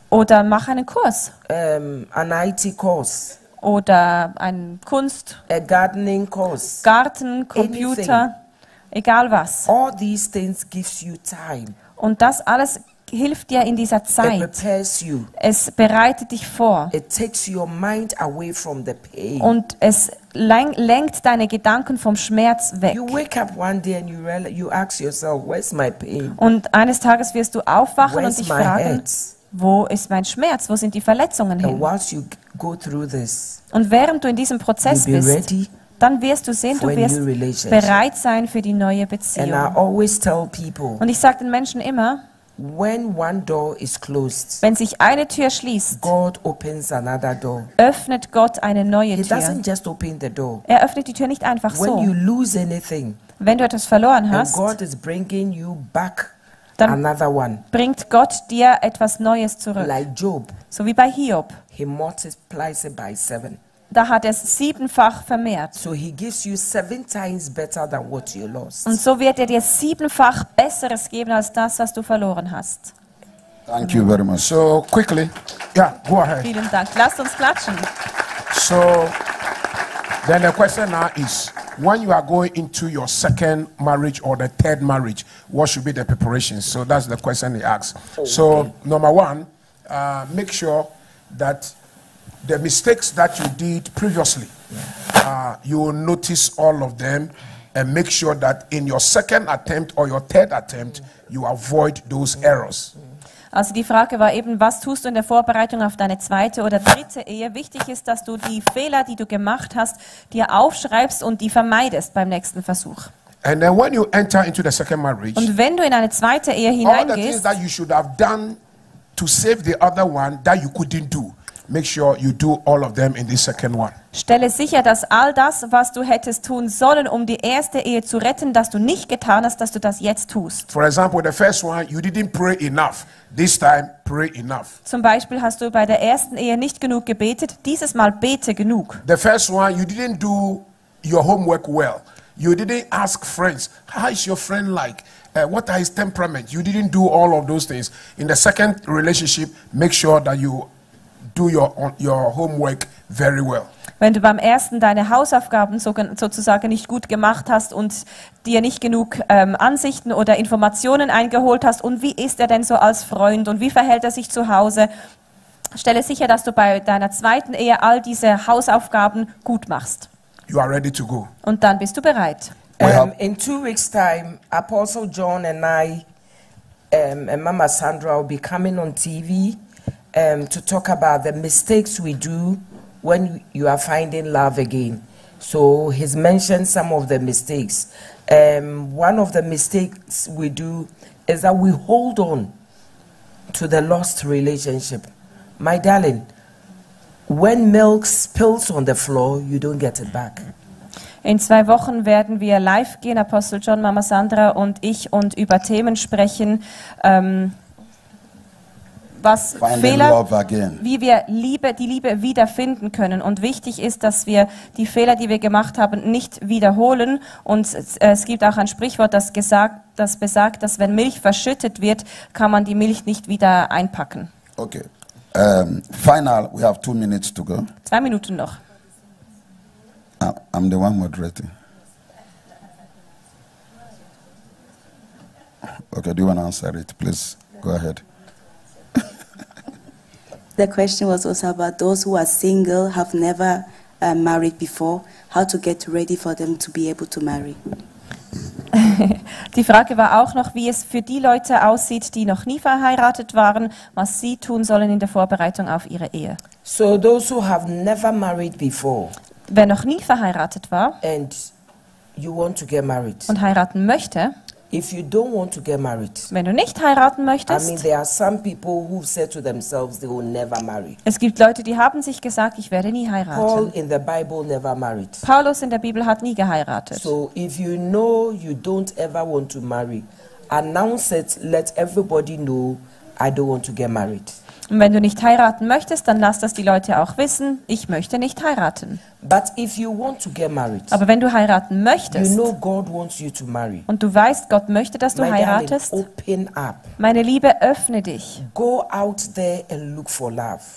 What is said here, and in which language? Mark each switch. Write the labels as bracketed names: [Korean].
[German] Oder mach einen Kurs. [English] An IT course. [German] Oder ein Kunst. [English] A gardening course. [German] Garten, Computer, [English] Anything. [German] Egal was. [English] All these things gives you time. [German] Und das alles hilft dir in dieser Zeit. [English] It prepares you. [German] Es bereitet dich vor. [English] It takes your mind away from the pain. [German] Und es lenkt deine Gedanken vom Schmerz weg. Und eines Tages wirst du aufwachen [English] where's [German] und dich fragen, [English] head? [German] Wo ist mein Schmerz? Wo sind die Verletzungen hin? [English] And whilst you go through this, [German] und während du in diesem Prozess bist, [English] ready, [German] dann wirst du sehen, du wirst bereit sein für die neue Beziehung. [English] And I always tell people, [German] und ich sage den Menschen immer, [English] when one door is closed, [German] wenn sich eine Tür schließt, [English] God opens another door. [German] Öffnet Gott eine neue [English] He [German] Tür. [English] Doesn't just open the door. [German] Er öffnet die Tür nicht einfach [English] when [German] so. [English] You lose anything, [German] wenn du etwas verloren hast, [English] God is bringing you back [German] dann [English] another one. [German] Bringt Gott dir etwas Neues zurück. [English] Like Job, [German] so wie bei Hiob. [English] He multiplies it by seven. [German] Da hat er es siebenfach vermehrt. [English] So he gives you seven times better than what you lost. [German] Und so wird er dir siebenfach Besseres geben als das, was du verloren hast. [English] Thank you very much. So quickly, yeah, go ahead. [German] Vielen Dank. Lasst uns klatschen. [English] So, then the question now is, when you are going into your second marriage or the third marriage, what should be the preparations? So that's the question he asks. Okay. So number one, make sure that the mistakes that you did previously, you will notice all of them and make sure that in your second attempt or your third attempt, you avoid those errors. [German] Also die Frage war eben, was tust du in der Vorbereitung auf deine zweite oder dritte Ehe? Wichtig ist, dass du die Fehler, die du gemacht hast, dir aufschreibst und die vermeidest beim nächsten Versuch. [English] And then when you enter into the second marriage, [German] und wenn du in eine zweite Ehe hineingehst, [English] all the things that you should have done to save the other one that you couldn't do, make sure you do all of them in this second one. [German] Stelle sicher, dass all das, was du hättest tun sollen, um die erste Ehe zu retten, dass du nicht getan hast, dass du das jetzt tust. [English] For example, the first one, you didn't pray enough. This time, pray enough. [German] Zum Beispiel hast du bei der ersten Ehe nicht genug gebetet. Dieses Mal bete genug. [English] The first one, you didn't do your homework well. You didn't ask friends, how is your friend like? What are his temperament? You didn't do all of those things. In the second relationship, make sure that you do your homework very well. [German] Wenn du beim ersten deine Hausaufgaben sozusagen nicht gut gemacht hast und dir nicht genug Ansichten oder Informationen eingeholt hast, und wie ist er denn so als Freund und wie verhält er sich zu Hause, stelle sicher, dass du bei deiner zweiten Ehe all diese Hausaufgaben gut machst. [English] You are ready to go. [German] Und dann bist du bereit. [English] In 2 weeks time, Apostle John and I and Mama Sandra will be coming on TV to talk about the mistakes we do when you are finding love again. So he's mentioned some of the mistakes. One of the mistakes we do is that we hold on to the lost relationship. My darling, when milk spills on the floor, you don't get it back. [German] In 2 Wochen werden wir live gehen, Apostel John, Mama Sandra und ich, und über Themen sprechen. Was Fehler, wie wir die Liebe wiederfinden können. Und wichtig ist, dass wir die Fehler, die wir gemacht haben, nicht wiederholen. Und es gibt auch ein Sprichwort, das besagt, dass wenn Milch verschüttet wird, kann man die Milch nicht wieder einpacken. [English] Okay. Final, we have 2 minutes to go. [German] 2 Minuten noch. [English] I'm the one moderating. Okay, do you want to answer it? Please, go ahead. The question was also about those who are single, have never married before, how to get ready for them to be able to marry. [German] Die Frage war auch noch, wie es für die Leute aussieht, die noch nie verheiratet waren, was sie tun sollen in der Vorbereitung auf ihre Ehe. [English] So those who have never married before. [German] Wer noch nie verheiratet war [English] and you want to get married. [German] Und heiraten möchte, [English] if you don't want to get married, [German] wenn du nicht heiraten möchtest, [English] I mean, there are some people who said to themselves they will never marry. [German] Es gibt Leute, die haben sich gesagt, ich werde nie heiraten. [English] Paul in the Bible never married. [German] Paulus in der Bibel hat nie geheiratet. [English] So if you know you don't ever want to marry, announce it, let everybody know, I don't want to get married. [German] Und wenn du nicht heiraten möchtest, dann lass das die Leute auch wissen, ich möchte nicht heiraten. [English] But if you want to get married, [German] aber wenn du heiraten möchtest, [English] you know God wants you to marry. [German] Und du weißt, Gott möchte, dass du [English] My [German] heiratest, [English] darling, open up. [German] Meine Liebe, öffne dich. [English] Go out there and look for love.